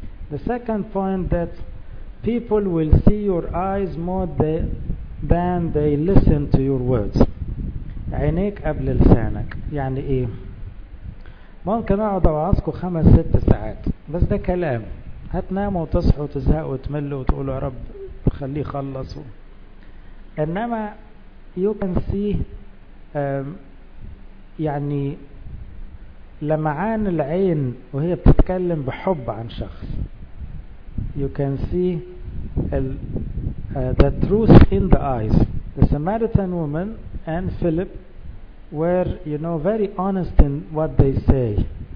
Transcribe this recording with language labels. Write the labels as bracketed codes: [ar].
[en] The second point, that people will see your eyes more than they listen to your words. [ar] عينيك قبل لسانك. يعني ايه؟ ممكن اقعد اوعظكم 5-6 ساعات بس ده كلام. هتناموا وتصحوا وتزهقوا وتملوا وتقولوا يا رب خليه يخلص. انما [en] you can see [ar] يعني لمعان العين وهي بتتكلم بحب عن شخص. [en] You can see the truth in the eyes. The Samaritan woman and Philip were, you know, very honest in what they say.